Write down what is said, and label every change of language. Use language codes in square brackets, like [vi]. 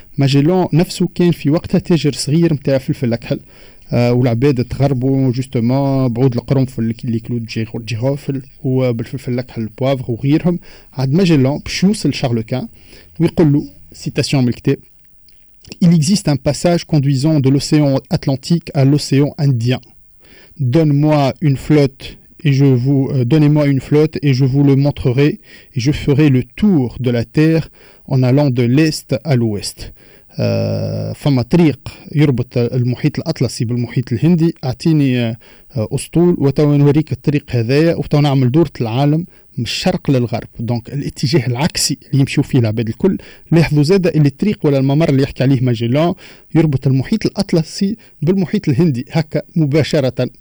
[ar] ماجيلون نفسه كان في وقتها تاجر صغير متاع فلفل أكحل والعباد تغربوا جوستومون بعود القرنفل اللي كلود جيغوفل وبالفلفل الأكحل البوافغ وغيرهم. عاد ماجيلون باش يوصل شارل كان ويقول له سيتاسيون من الكتاب: [fr] Il existe un passage conduisant de l'océan Atlantique à l'océan Indien. Donne-moi une flotte et je vous donnez-moi une flotte et je vous le montrerai et je ferai le tour de la Terre en allant de l'est à l'ouest. [ar] فما طريق يربط المحيط الأطلسي بالمحيط الهندي، أعطيني أسطول وتو نوريك الطريق هذايا وتو نعمل دورة العالم من الشرق للغرب. دونك الاتجاه العكسي اللي يمشيو فيه العباد الكل. لاحظوا زادة اللي الطريق ولا الممر اللي يحكي عليه ماجيلون يربط المحيط الأطلسي بالمحيط الهندي هكا مباشرة.